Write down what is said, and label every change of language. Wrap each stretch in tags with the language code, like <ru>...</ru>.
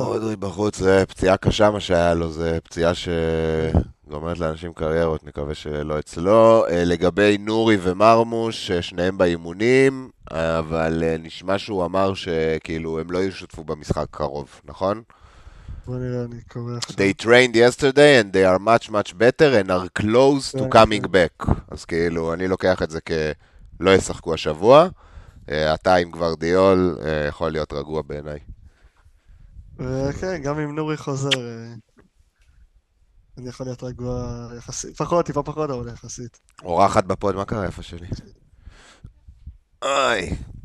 <he>רודרי בחוץ, זה פציעה קשה מה שהיה לו, זה פציעה שגומרת לאנשים קריירות, נקווה שלא אצלו. לגבי נורי ומרמוש, שניהם באימונים, אבל נשמע שהוא אמר שכאילו הם לא ישותפו במשחק קרוב, נכון?</he> <en>They trained yesterday and they are much much better and are close to coming back.</en> <he>אז כאילו, אני לוקח את זה כלא ישחקו השבוע. אתה עם גוורדיול יכול להיות רגוע בעיניי. וכן, גם אם נורי חוזר, אני יכול להיות רגוע יחסית. פחות, טיפה פחות, אבל יחסית. אורחת בפוד, מה קרה איפה שלי? איי!</he>